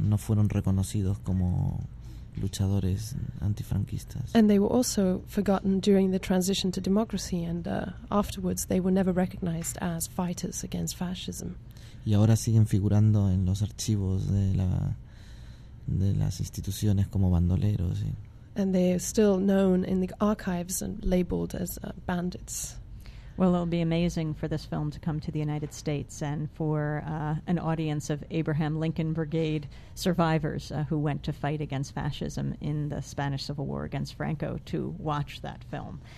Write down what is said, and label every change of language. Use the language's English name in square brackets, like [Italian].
[Spanish] No fueron reconocidos como luchadores antifranquistas. [English] And they were also forgotten during the transition to democracy, and afterwards they were never recognized as fighters against fascism. [Spanish] Y ahora siguen figurando en los archivos de las instituciones como bandoleros. Y [English] and they are still known in the archives and labeled as bandits. Well, it'll be amazing for this film to come to the United States and for an audience of Abraham Lincoln Brigade survivors who went to fight against fascism in the Spanish Civil War against Franco to watch that film.